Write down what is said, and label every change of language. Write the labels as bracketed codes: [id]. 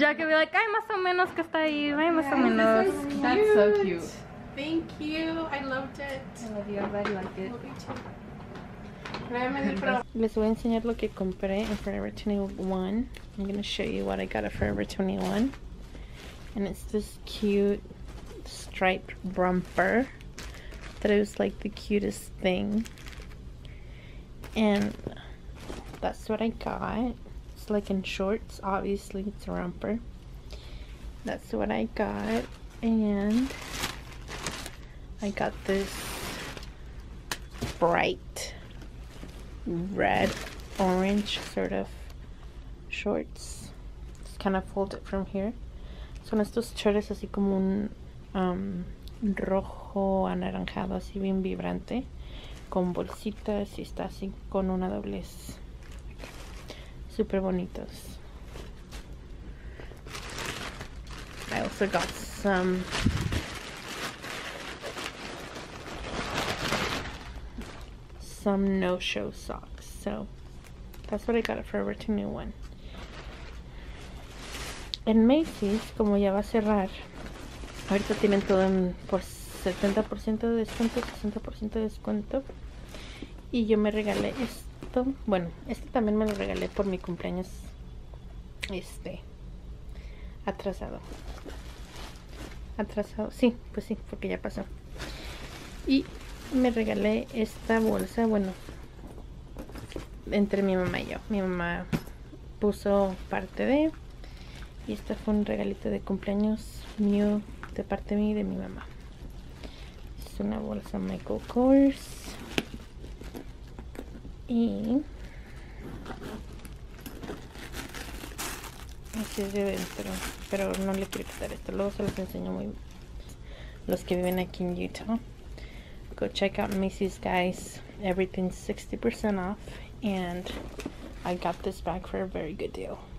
[en] Jack will be like, [es] ay, más o menos que está ahí. Ay, más o menos. [en] That's so cute. Thank you. I loved it. I love you. I'm glad you like it. [es] Me voy a enseñar lo que compré en Forever 21. [en] I'm going to show you what I got at Forever 21. And it's this cute striped romper that is like the cutest thing. And that's what I got. It's like in shorts, obviously it's a romper. That's what I got. And I got this bright red orange sort of shorts. Just kind of fold it from here. [es] Son estos shorts así como un rojo anaranjado así bien vibrante con bolsitas y está así con una doblez. Super bonitos. [en] I also got some no-show socks. So that's what I got for a new one. [es] En Macy's, como ya va a cerrar, ahorita tienen todo en por 70% de descuento, 60% de descuento. Y yo me regalé este. Bueno, este también me lo regalé por mi cumpleaños. Este Atrasado, sí, pues sí, porque ya pasó. Y me regalé esta bolsa, bueno, entre mi mamá y yo. Mi mamá puso parte de. Y este fue un regalito de cumpleaños mío, de parte mía y de mi mamá. Es una bolsa Michael Kors. Y así es de dentro, pero no le quiero quitar esto, luego se los enseño muy los que viven aquí en Utah. [en] Go check out Macy's, guys. Everything's 60% off and I got this bag for a very good deal.